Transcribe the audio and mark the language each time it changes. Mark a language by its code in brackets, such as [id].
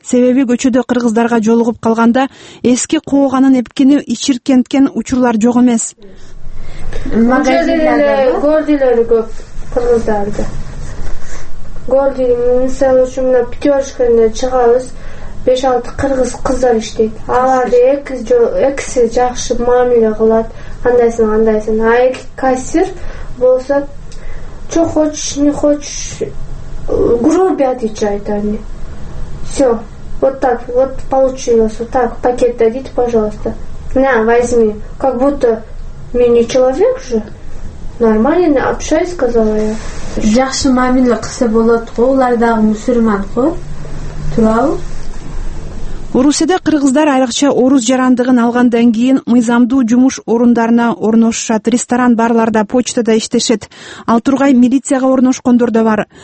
[ky] Себеби көчөдө кыргыздарга жолугуп калганда эски кооганын эпкени ичиркенткен учурлар жок эмес. Магазинде эле гордилери көп кыргыздарды. Гордилин мисалы үчүн мына Пятёрочкада чыгабыз. 5-6 кыргыз кыздар иштейт. Аларды экиси жакшы мамиле кылат. Андайсын, андайсын. [ru] А [ky] эки кассир болсо, [ru] чё хочешь, не хочешь, грубо отвечает они. Всё, вот так, вот получилось, вот так, пакет дадите, пожалуйста. На, возьми. Как будто мне не человек же. Нормально, не общай, сказала я. [ky] Жакшы мамиле кылса болот го, алар дагы мусульман го. Туурабы? Орусияда кыргыздар айрыкча орус жарандыгын алгандан кийин мыйзамдуу жумуш орундарына орношушат. Ресторан, барларда, почтада иштешет. Ал тургай милицияга орношкондор да бар.